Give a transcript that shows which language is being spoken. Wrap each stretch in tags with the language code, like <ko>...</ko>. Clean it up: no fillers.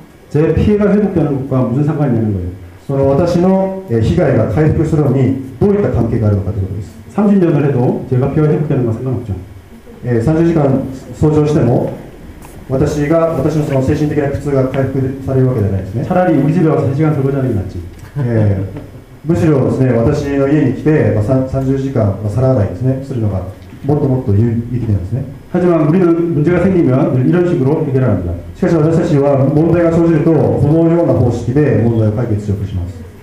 <ko>제피해가회복되는것과무슨상관이되는거예요。</ko> <ja>その、私の被害が回復するのに、どういった関係があるのかということです。</ja> <ko>30년을해도、제가피해가회복되는것과상관없죠。</ko> <ja>30時間掃除をしても私が私のその精神的な苦痛が回復されるわけではないですね。</ja> <ko>차라리우리집에와서3시간掃除하는게낫지。</ko> <ja>むしろですね、私の家に来て、まあ、30時間、まあ、皿洗いですね、するのがもっともっと有益なんですね。</ja> <ko>하지만우리는문제가생기면이런식으로해결합니다。</ko> <ja>しかし私たちは問題が生じるとこのような方式で問題を解決しようとします。</ja>